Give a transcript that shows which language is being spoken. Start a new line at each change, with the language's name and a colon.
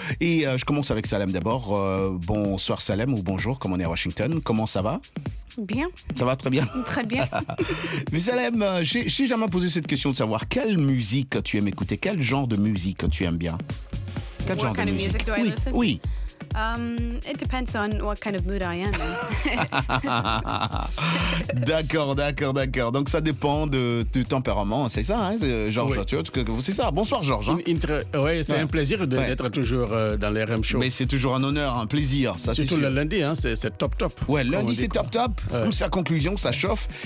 French: Et je commence avec Salem d'abord. Bonsoir Salem, ou bonjour, comme on est à Washington. Comment ça va ? Bien. Ça va très bien ? Très bien. Mais Salem, j'ai jamais posé cette question de savoir quelle musique tu aimes écouter, quel genre de musique tu aimes bien ? Quel genre de musique ?
English: What kind of music do I listen to ?
French: Oui.
English: It depends on what kind of mood I am.
French: D'accord. Donc ça dépend de tempérament, c'est ça, hein, Georges. Oui. Tu vois, c'est ça. Bonsoir, Georges. Hein. C'est un plaisir d'être toujours dans les RM Show. Mais c'est toujours un honneur, un plaisir. Ça, surtout le lundi, hein, c'est top top. Ouais, lundi c'est top top. C'est comme sa conclusion, ça chauffe.